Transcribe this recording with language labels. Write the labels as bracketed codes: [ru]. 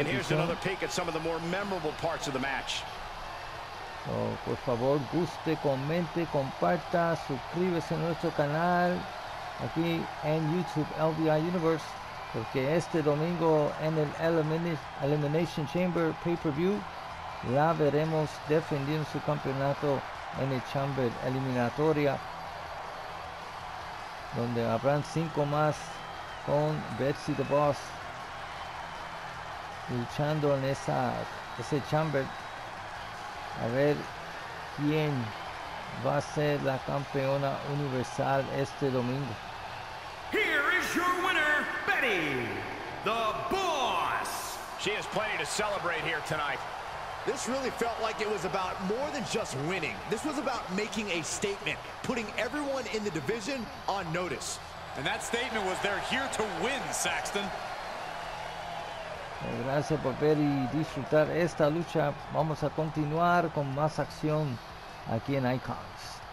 [en] And here's another peek at some of the more memorable parts of the match. [es] Oh, por favor, guste, comente, comparta, suscríbase a nuestro canal aquí en YouTube LVI Universe, porque este domingo en el Elimination Chamber pay-per-view la veremos defendiendo su campeonato en el Chamber Eliminatoria, donde habrán cinco más con Bethzy the Boss luchando en ese chamber, a ver quién va a ser la campeona universal este domingo. [en] Here is your winner, Betty, the Boss. She has plenty to celebrate here tonight. This really felt like it was about more than just winning. This was about making a statement, putting everyone in the division on notice. And that statement was they're here to win, Saxton. [es] Gracias por ver y disfrutar esta lucha. Vamos a continuar con más acción aquí en Icons.